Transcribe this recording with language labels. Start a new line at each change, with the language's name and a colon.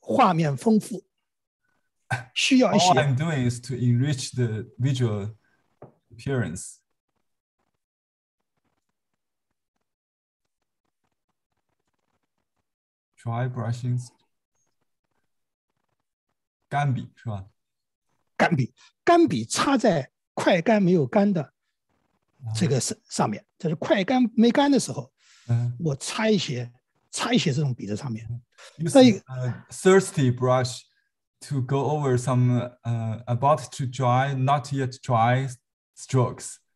Chinese: 我这种做法完全是为了画面丰富，需要一些。
English: All I'm doing is to enrich the visual appearance.
Chinese: 干笔是吧？干笔插在快干没有干的这个上面，就是快干没干的时候，我擦一些这种笔在上面。
English: Use a thirsty brush to go over some about to dry, not yet dry strokes.